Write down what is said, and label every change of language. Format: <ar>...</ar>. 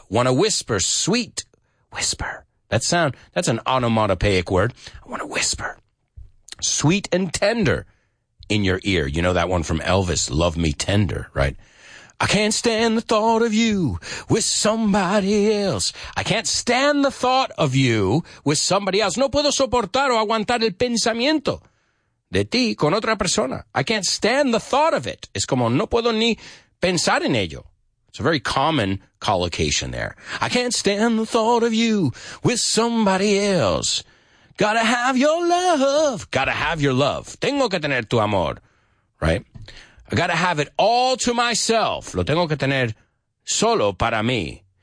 <en>Want to whisper sweet. Whisper. That sound, that's an onomatopoeic word. I want to whisper sweet and tender in your ear. You know that one from Elvis, Love Me Tender, right? I can't stand the thought of you with somebody else. I can't stand the thought of you with somebody else.</en> <es>No puedo soportar o aguantar el pensamiento de ti con otra persona.</es> <en>I can't stand the thought of it.</en> <es>Es como no puedo ni pensar en ello.</es> <en>It's a very common collocation there. I can't stand the thought of you with somebody else. Gotta have your love. Gotta have your love.</en> <es>Tengo que tener tu amor,</es> <en>right? I gotta have it all to myself.</en> <es>Lo tengo que tener solo para mí.</es>